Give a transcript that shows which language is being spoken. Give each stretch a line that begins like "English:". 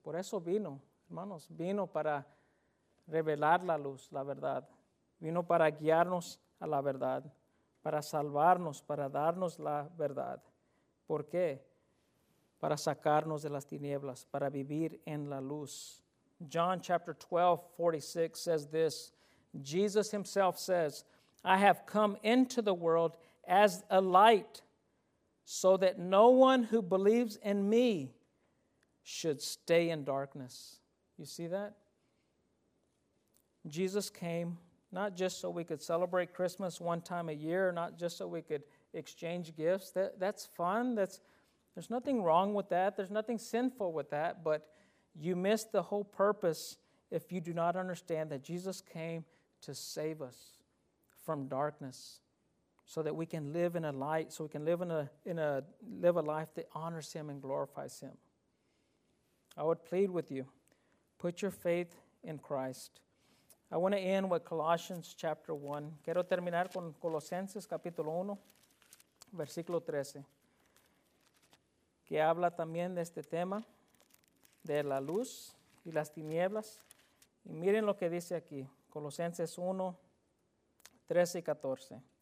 Spanish: Por eso vino, hermanos, vino para revelar la luz, la verdad. Vino para guiarnos a la verdad, para salvarnos, para darnos la verdad. ¿Por qué? Para sacarnos de las tinieblas, para vivir en la luz.
English: John chapter 12:46 says this, Jesus himself says, I have come into the world as a light so that no one who believes in me should stay in darkness. You see that? Jesus came not just so we could celebrate Christmas one time a year, not just so we could exchange gifts. That's fun. There's nothing wrong with that. There's nothing sinful with that. But you miss the whole purpose if you do not understand that Jesus came to save us from darkness so that we can live in a light, so we can live a life that honors Him and glorifies Him. I would plead with you, put your faith in Christ. I want to end with Colossians chapter 1.
Spanish: Quiero terminar con Colosenses capítulo 1, versículo 13. Que habla también de este tema, de la luz y las tinieblas. Y miren lo que dice aquí, Colosenses 1, 13 y 14.